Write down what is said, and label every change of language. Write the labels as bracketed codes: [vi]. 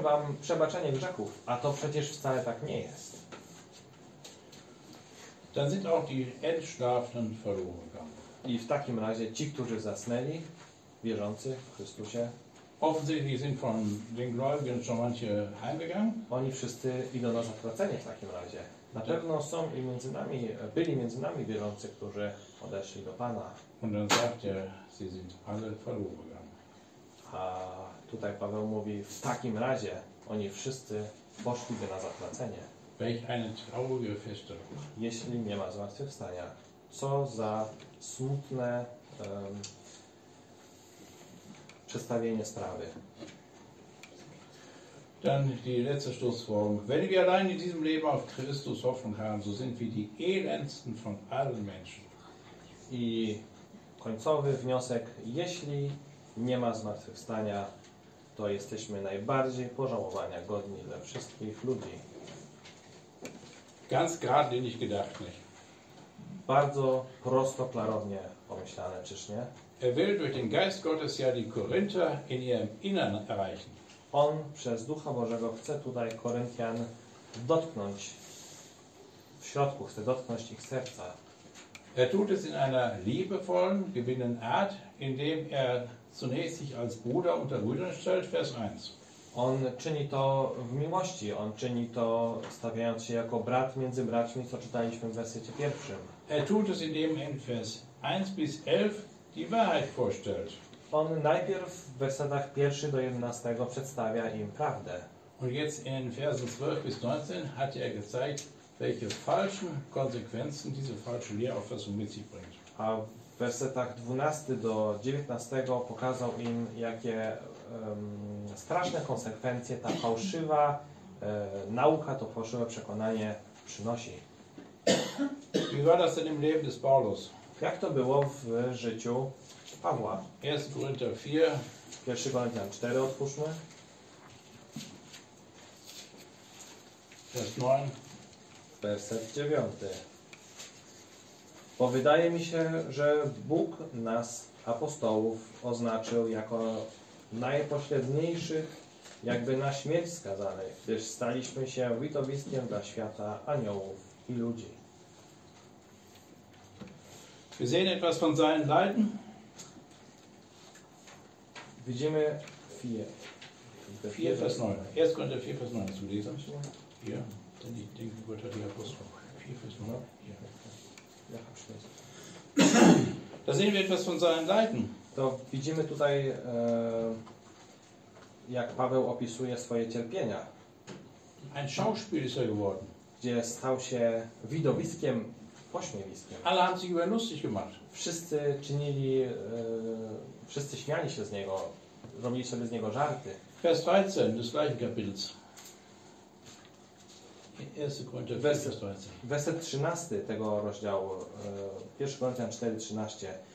[pl] wam przebaczenie grzechów, a to przecież wcale tak nie jest. [de] Dann sind auch die Entschlafenen verloren gegangen. [pl] I w takim razie ci, którzy zasnęli, wierzący w Chrystusie, [de] offensichtlich sind von den Gläubigen schon manche heimgegangen. [pl] Oni wszyscy idą na zatracenie w takim razie. Na pewno są i między nami, byli między nami wierzący, którzy odeszli do Pana. [de] Und dann sagt er, sie sind alle verloren gegangen. [pl] A tutaj Paweł mówi, w takim razie oni wszyscy poszliby na zatracenie. [de] Welch eine traurige Feststellung. [pl] Jeśli nie ma zmartwychwstania, co za smutne przedstawienie sprawy. [de] Dann die letzte Schlussfolgerung. Wenn wir allein in diesem Leben auf Christus Hoffnung haben, so sind wir die elendsten von allen Menschen. [pl] I końcowy wniosek. Jeśli nie ma zmartwychwstania, to jesteśmy najbardziej pożałowania godni dla wszystkich ludzi. [de] Ganz geradlinig gedacht, nicht? [pl] Bardzo prosto, klarownie pomyślane, czyż nie? [de] Er will durch den Geist Gottes ja die Korinther in ihrem Innern erreichen. [pl] On przez Ducha Bożego chce tutaj Koryntian dotknąć, w środku chce dotknąć ich serca. [de] Er tut es in einer liebevollen, gewinnenden Art, indem er zunächst sich als Bruder unter Brüdern stellt, Vers 1. [pl] On czyni to w miłości, on czyni to stawiając się jako brat między braćmi, co czytaliśmy w wersecie pierwszym. [de] Er tut es, indem er in Vers 1 bis 11 die Wahrheit vorstellt. [pl] On najpierw w wersetach 1 do 11 przedstawia im prawdę. [de] Und jetzt in Versen 12 bis 19 hat er gezeigt, welche falschen Konsequenzen diese falsche Lehrauffassung mit sich bringt. [pl] A w wersetach 12 do 19 pokazał im, jakie straszne konsekwencje ta fałszywa nauka, to fałszywe przekonanie przynosi. [de] Wie war das denn im Leben des Paulus? [pl] Jak to było w życiu Pawła? [de] 1 Korinther 4. [pl] 1 Korinther 4, otwórzmy. [de] Vers 9. [pl] Werset 9. Bo wydaje mi się, że Bóg nas, apostołów, oznaczył jako najpośredniejszych, jakby na śmierć skazanych, gdyż staliśmy się widowiskiem dla świata aniołów i ludzi. [de] Wir sehen etwas von seinen Leiden. [pl] Widzimy [de] 4 vers 9. 1 Korinther 4 vers 9 zu lesen. Ja, denn ich denke, Gott hat die Apostel. 4 vers 9. Ja. Da sehen wir etwas von seinen Leiden. [pl] To widzimy tutaj, jak Paweł opisuje swoje cierpienia. [de] Ein Schauspiel ist er geworden. [pl] Gdzie stał się widowiskiem. [de] Alle haben sich über lustig gemacht. [pl] Wszyscy czynili, wszyscy śmiali się z niego, robili sobie z niego żarty. [de] Vers 13 des gleichen Kapitels. 1 Korinther 4, Vers 13. [pl] Werset 13 tego rozdziału, 1 Korinther 4, 13.